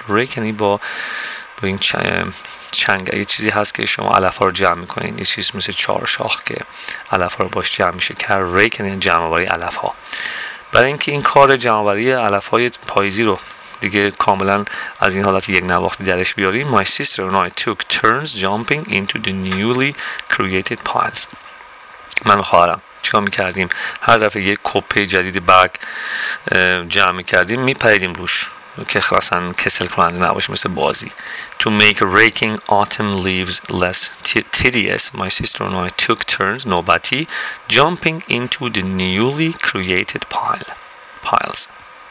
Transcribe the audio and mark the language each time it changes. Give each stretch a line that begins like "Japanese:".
Persian: Rake یعنی با این چنگ، یه چیزی هست که شما علف ها رو جمع میکنین، یه چیز مثل چهار شاخ که علف ها رو باش جمع میشه کرد. Rake یعنی جمع آوری علف ها. برای اینکه این کار جمع آوری علف های پاییزی رو دیگه کاملا از این حالت یک نواختی درش بیاریم.
English: My sister and I took turns jumping into the newly created piles.
Persian: من و خواهرم چیکار میکردیم؟ هر دفعه یک کپه جدید برگ جمع میکردیم، میپریدیم روش که خلاصا کسل کننده نباشه، مثل بازی.
English: To make raking autumn leaves less tedious, my sister and I took turns, nobody, jumping into the newly created piles.